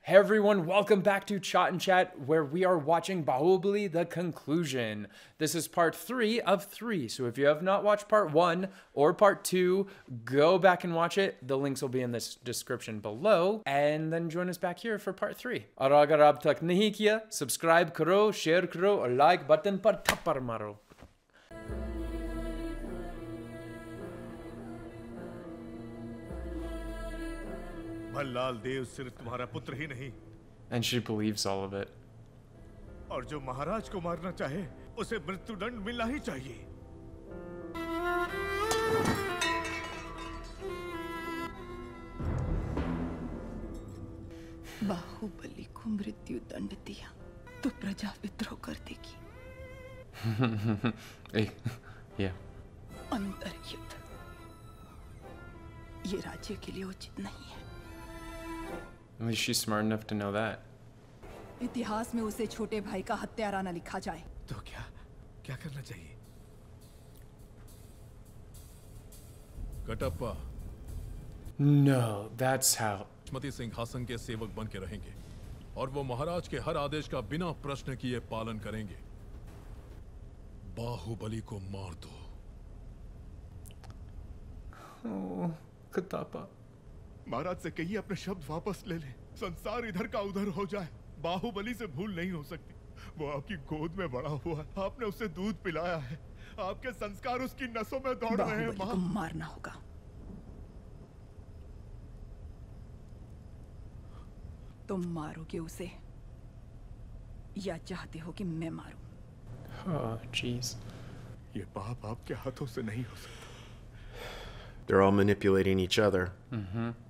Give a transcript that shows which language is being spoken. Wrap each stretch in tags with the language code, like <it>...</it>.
<en>everyone, welcome back to Chat and Chat, where we are watching BAAHUBALI, the conclusion. This is part three of three, so if you have not watched part one or part two, go back and watch it. The links will be in this description below, and then join us back here for part three.</en> <hi>और अगर अब तक नहीं किया, subscribe करो, share करो, और like button पर थप्पड़ मारो. भल्लाल देव सिर्फ तुम्हारा पुत्र ही नहीं</hi> <en>and she believes all of it</en> <hi>और जो महाराज को मारना चाहे उसे मृत्युदंड मिलना ही चाहिए बाहुबली को मृत्युदंड दिया तो प्रजा विद्रोह कर देगी या अंतर युद्ध ये राज्य के लिए उचित नहीं है</hi> <en>At least she's smart enough to know that.</en> <hi>इतिहास में उसे छोटे भाई का हत्याराना लिखा जाए। तो क्या, क्या करना चाहिए? Kattappa.</hi> <en>No, that's how.</en> <hi>Shrimati सिंहासन के सेवक बन के रहेंगे, और वो महाराज के हर आदेश का बिना प्रश्न किए पालन करेंगे। बाहुबली को मार दो। कटप्पा। महाराज से कहिए अपने शब्द वापस ले ले संसार इधर का उधर हो जाए बाहुबली से भूल नहीं हो सकती वो आपकी गोद में बड़ा हुआ आपने उसे दूध पिलाया है आपके संस्कार उसकी नसों में दौड़ रहे हैं बाहुबली को मारना होगा तुम मारोगे उसे या चाहते हो कि मैं मारूं</hi> <en>जीस</en> <hi>ये पाप आपके हाथों से नहीं हो सकता</hi> <en>They're all manipulating each other.</en>